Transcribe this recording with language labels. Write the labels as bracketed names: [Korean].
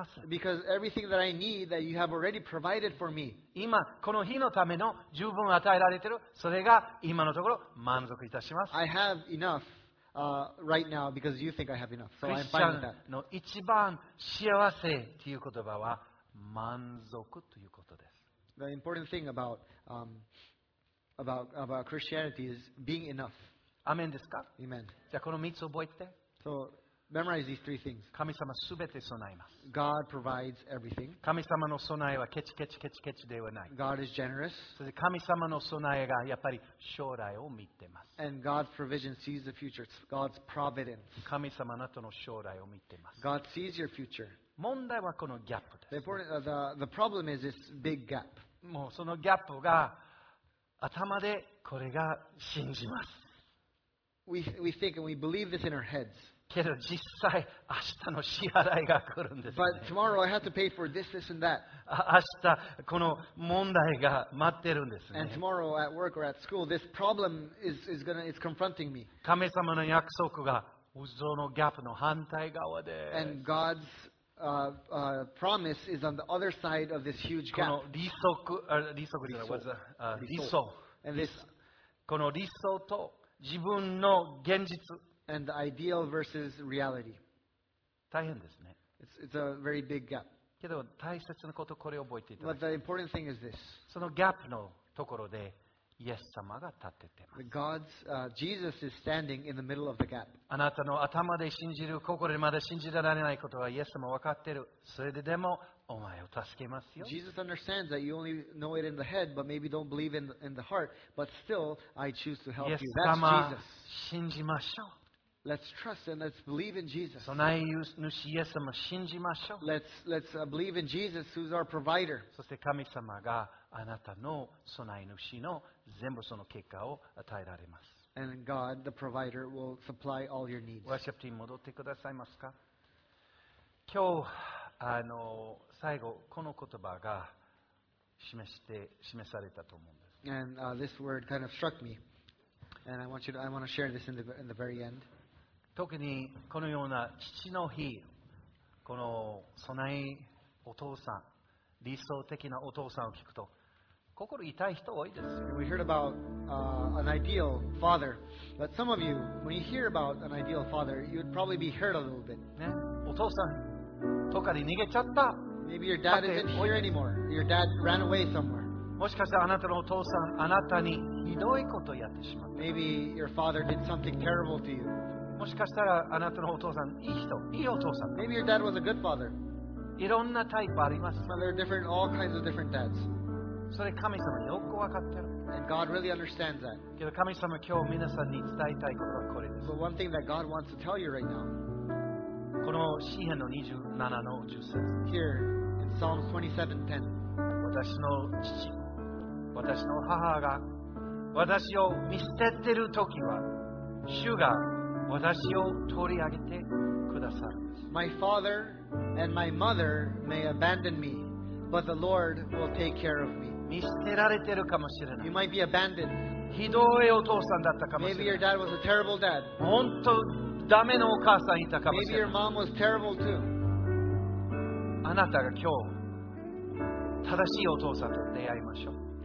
[English] Because everything that I need that you have already provided for me. [Japanese] 今この日のための十分与えられてる。それが今のところ満足いたします。 [English] I have enough right now because you think I have enough. So I'm fine with that. [Japanese] の一番幸せという言葉は満足ということです。 [English] The important thing aboutAbout Christianity is being enough. [Japanese] Amen ですか? [English] Amen. [Japanese] じゃあこの3つ覚えて。 [English] So memorize these three things. [Japanese] 神様すべて備えます。 [English] God provides everything. [Japanese] 神様の備えはケチケチケチケチではない。 [English] God is generous. [Japanese] そして神様の備えがやっぱり将来を見てます。 [English] And God's provision sees the future. It's God's providence. [Japanese] 神様あなたの将来を見てます。 [English] God sees your future. [Japanese] 問題はこのギャップです、ね。 [English] The problem is this big gap. [Japanese] もうそのギャップが頭でこれが信じます。 [English] We think and we believe this in our heads. [Japanese] けど実際明日の支払いが来るんですね。 [English] But tomorrow I have to pay for this, this and that. [Japanese] 明日この問題が待ってるんですね。 [English] And tomorrow at work or at school, this problem is confronting me. [Japanese] 神様の約束が嘘のギャップの反対側で。 [English] And God'sPromise is on the other side of this huge gap. [Japanese] この理想、理想、理想、理想、 [English] And this, [Japanese] この理想と自分の現実、 [English] and the ideal versus reality. [Japanese] 大変ですね。 [English] It's a very big gap. [Japanese] けど大切なことこれを覚えていただきたい。 [English] But the important thing is this. [Japanese] そのギャップのところでイエス様が立っててます。 [English] God's Jesus is standing in the middle of the gap. [Japanese] あなたの頭で信じる、心でまだ信じられないことはイエス様分かってる。それででもお前を助けますよ。 [English] Jesus understands that you only know it in the head, but maybe don't believe in the heart. But still, I choose to help you. That's Jesus. [Japanese] イエス様、信じましょう。 [English] Let's trust and let's believe in Jesus. [Japanese] 備え主イエス様、信じましょう。 [English] Let's believe in Jesus, who's our provider. [Japanese] そして神様があなたの備え主の全部その結果を与えられます。 [English] And God, the provider, will supply all your needs. [Japanese] ワーシャップに戻ってくださいますか。今日最後この言葉が示されたと思うんです。 [English] And this word kind of struck me, and I want to share this in the very end. [Japanese] 特にこのような父の日、この備えお父さん、理想的なお父さんを聞くと。心痛い人多いです。 [English] We heard about an ideal father, but some of you, when you hear about an ideal father, you'd probably be hurt a little bit. [Japanese] ね、お父さんとかで逃げちゃった。 [English] Maybe your dad isn't here anymore. Your dad ran away somewhere. [Japanese] もしかしたらあなたのお父さん、あなたにひどいことをやってしまった。 [English] Maybe your father did something terrible to you. [Japanese] もしかしたらあなたのお父さん、いい人、いいお父さん。 [English] Maybe your dad was a good father. [Japanese] いろんなタイプあります。 [English] Well, there are different, all kinds of different dads. [Japanese] それ神様よくわかってる。 [English] And God really understands that. [Japanese] けど神様今日皆さんに伝えたいことはこれです。 [English] But one thing that God wants to tell you right now. [Japanese] この詩編の27の10節 [English] Here in Psalms 27:10 [Japanese] 私の父私の母が私を見捨ててる時は主が私を取り上げてくださる [English] My father and my mother may abandon me but the Lord will take care of me [Japanese] 見捨てられてるかもしれない [English] You might be abandoned [Japanese] ひどいお父さんだったかもしれない [English] Maybe your dad was a terrible dad [Japanese] 本当ダメのお母さんいたかもしれない。 [English] Maybe your mom was terrible too. [Japanese] あなたが今日正しいお父さんと出会いましょう。